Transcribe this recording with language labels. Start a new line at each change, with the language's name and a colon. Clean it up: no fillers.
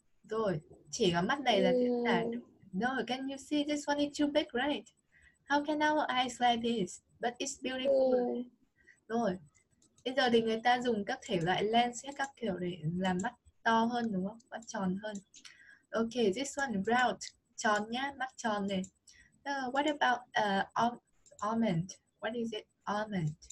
Vietnamese: Rồi, chỉ có mắt này là diễn tả.
English: No, can you see this one is too big, right? How can our eyes like this? But it's beautiful.
Vietnamese: Rồi, bây giờ thì người ta dùng các thể loại lens hết các kiểu để làm mắt to hơn đúng không? Mắt tròn hơn.
English: Ok, this one round,
Vietnamese: tròn nhá, mắt tròn này.
English: What about almond? What is it? Almond.